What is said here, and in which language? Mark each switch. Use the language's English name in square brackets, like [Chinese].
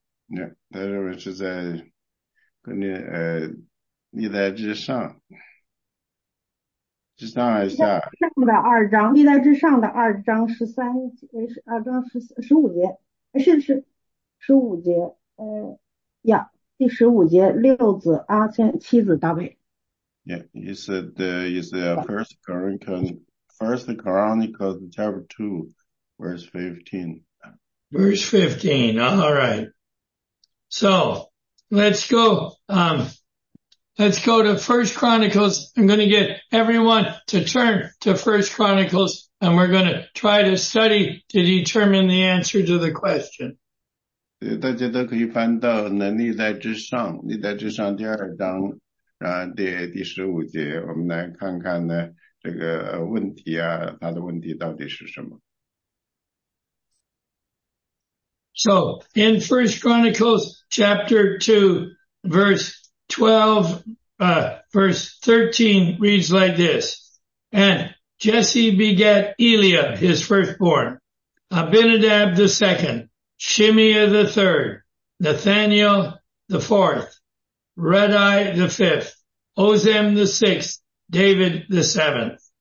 [Chinese] Yeah, 他认为是在跟你历代之上，之上还是下？上的二章，历代之上的二章十三节，二章十四十五节，是十五节，第十五节，六子阿先，七子大卫。 [English] Yeah, he said it's First Chronicles chapter 2, verse 15. Verse 15, all right. So, let's go to First Chronicles. I'm going to get everyone to turn to First Chronicles, and we're going to try to study to determine the answer to the question. [Chinese] 大家都可以翻到那历代之上，历代之上第二章，第十五节，我们来看看呢，这个问题啊，它的问题到底是什么。 [English] So, in 1 Chronicles chapter 2, verse 13 reads like this. And Jesse begat Eliab, his firstborn, Abinadab the second, Shimea the third, Nathaniel the fourth, Redai the fifth, Ozem the sixth, David the seventh.